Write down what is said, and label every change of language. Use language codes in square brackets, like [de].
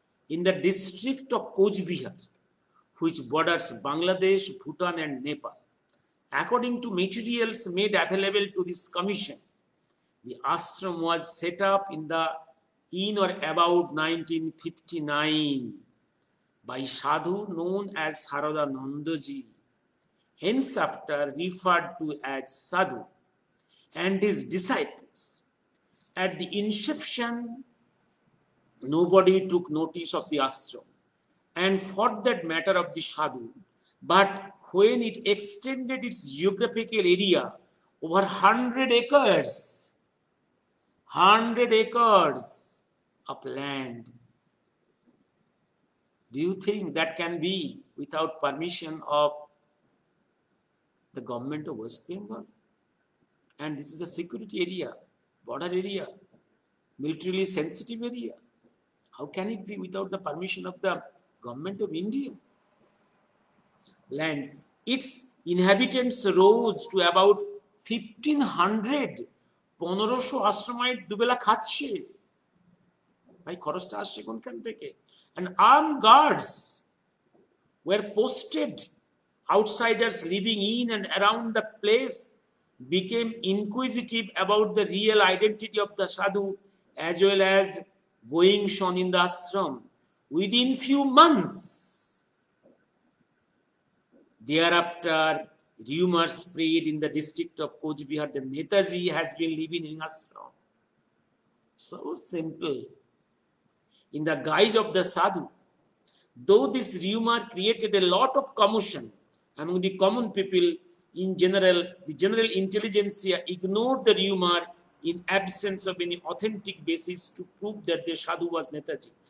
[en] In the district of Cooch Behar which borders Bangladesh Bhutan and Nepal according to materials made available to this commission The ashram was set up in or about 1959 by sadhu known as Saradanandaji, hence after referred to as sadhu, and his disciples. At the inception, nobody took notice of the ashram, and for that matter of the sadhu, but when it extended its geographical area over 100 acres, 100 acres of land. Do you think that can be without permission of the government of West Bengal? And this is a security area, border area, militarily sensitive area. How can it be without the permission of the government of India? Land. Its inhabitants rose to about 1,500. 1500 [bn] আশ্রমাইট দুবেলা খাচ্ছে, ভাই খরচটা আসছে কোনখান থেকে, [en] And arm guards were posted outsiders living in and around the place became inquisitive about the real identity of the sadhu as well as going on in the ashram within few months thereafter Rumors spread in the district of Kochbihar that Netaji has been living in ashram. So simple. In the guise of the sadhu, though this rumor created a lot of commotion among the common people in general, the general intelligentsia ignored the rumor in absence of any authentic basis to prove that the Sadhu was Netaji.